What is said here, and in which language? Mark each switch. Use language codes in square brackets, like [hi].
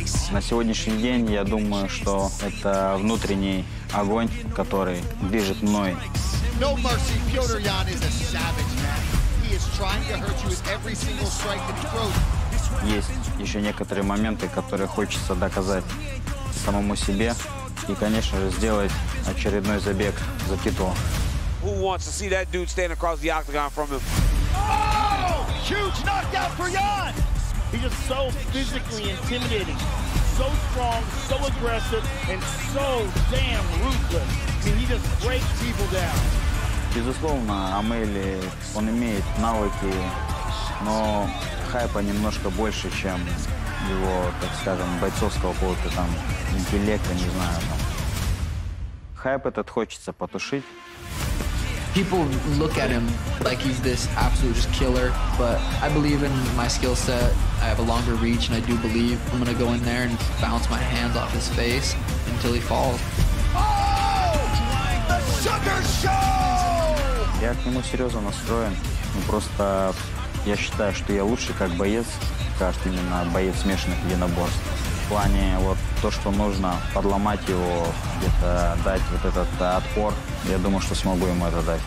[ru] На сегодняшний день я думаю, что это внутренний огонь, который движет мной. [en] No mercy, Pyotr Jan is a savage man. He is trying to hurt you with every single strike that he throws. [ru] Есть еще некоторые моменты, которые хочется доказать самому себе. И, конечно же, сделать очередной забег за титул. [en] Who wants to see that dude stand across the octagon from him? Oh! Huge knockout for Jan! He's just so physically intimidating. So strong, so aggressive, and so damn ruthless. I mean, he just breaks people down. [ru] Безусловно, Амели, он имеет навыки, но хайпа немножко больше, чем его, так скажем, бойцовского какого-то там интеллекта, не знаю. Но хайп этот хочется потушить. [en] People look at him like he's this absolute just killer, but I believe in my skill set. I have a longer reach, and I do believe I'm gonna go in there and bounce my hands off his face until he falls. Oh, the Sugar Show! [ru] Я к нему серьезно настроен. Ну просто я считаю, что я лучше как боец, кажется, именно боец смешанных единоборств. В плане вот то, что нужно подломать его, где-то дать вот этот отпор, я думаю, что смогу ему это дать.